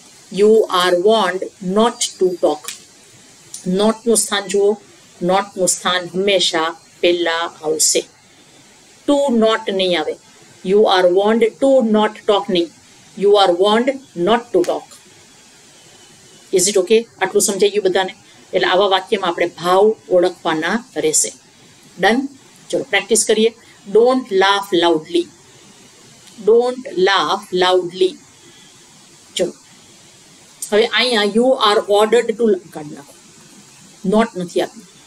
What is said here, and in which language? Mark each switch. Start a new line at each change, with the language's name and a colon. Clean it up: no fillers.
English: You are warned not to talk.
Gujarati: Not નું સ્થાન જુઓ. Not નું સ્થાન હંમેશા પહેલા આવશે.
English: To not
Gujarati: નહીં આવે.
English: You are warned to not talk
Gujarati: નહીં.
English: You are warned not to talk. Is it okay?
Gujarati: આટલું સમજાઈ ગયું બધાને? એટલે આવા વાક્યમાં આપણે ભાવ ઓળખવાના રહેશે. ડન, ચલો પ્રેક્ટિસ કરીએ.
English: Don't laugh loudly. Don't laugh loudly.
Gujarati: હવે અહીંયા
English: you are ordered to
Gujarati: કાઢ નાખો. નોટ નથી આપ્યું.